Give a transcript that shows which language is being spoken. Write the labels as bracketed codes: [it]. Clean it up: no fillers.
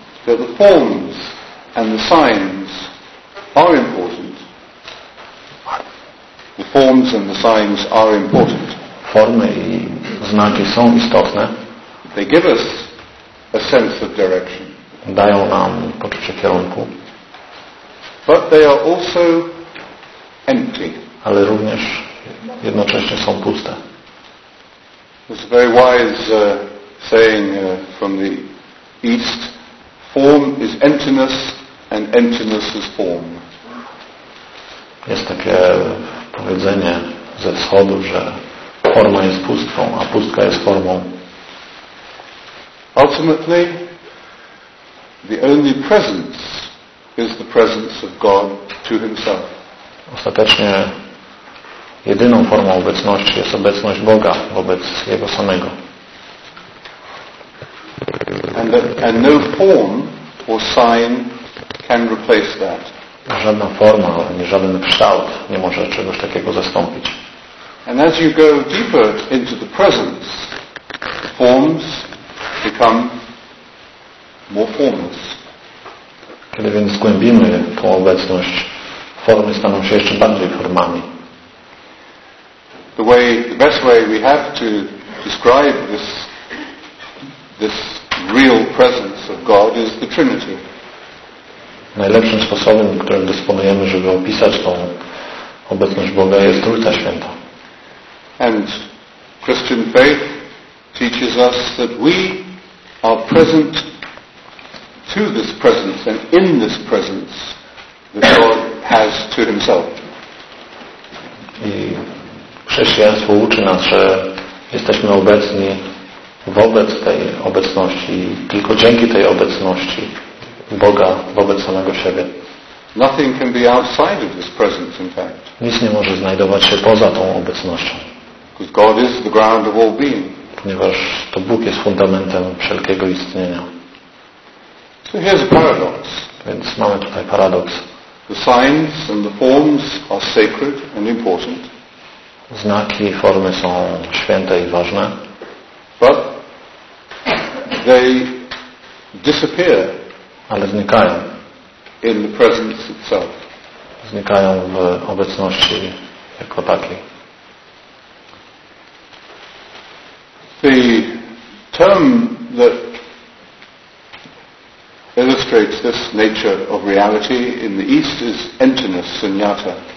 [en] That the forms and the signs are important. The forms and the signs are important. [pl] Formy i znaki są istotne. [en] They give us a sense of direction. [pl] Dają nam poczucie kierunku. [en] But they are also empty. [pl] Ale również jednocześnie są puste. [en] There's a very wise saying from the East. Form is emptiness and emptiness is form. [pl] Jest takie powiedzenie ze wschodu, że forma jest pustką, a pustka jest formą. [en] Ultimately, the only presence is the presence of God to himself. [pl] Ostatecznie jedyną formą obecności jest obecność Boga wobec Jego samego. [en] And no form or sign can replace that. [pl] Żadna forma ani żaden kształt nie może czegoś takiego zastąpić. [en] And as you go deeper into the presence, forms become more formless. [pl] Kiedy więc zgłębimy tą obecność, formy staną się jeszcze bardziej formami. [en] The best way we have to describe this real presence of God is the Trinity. [pl] Najlepszym sposobem, którym dysponujemy, żeby opisać tą obecność Boga, jest Trójca Święta. [en] And Christian faith teaches us that we are present to this presence and in this presence that God has to himself. [pl] I chrześcijaństwo uczy nas, że jesteśmy obecni wobec tej obecności i tylko dzięki tej obecności Boga wobec samego siebie. [en] Nothing can be outside of this presence, in fact. [pl] Nic nie może znajdować się poza tą obecnością. [en] Because God is the ground of all being. [pl] Ponieważ to Bóg jest fundamentem wszelkiego istnienia. [en] So here's a paradox. [pl] Więc mamy tutaj paradoks. [en] The signs and the forms are sacred and important. [pl] Znaki i formy są święte i ważne. [en] But they disappear. [pl] Ale znikają. [en] In the presence itself. [pl] Znikają w obecności jako takiej. [en] The term that illustrates this nature of reality in the East is emptiness, sunyata.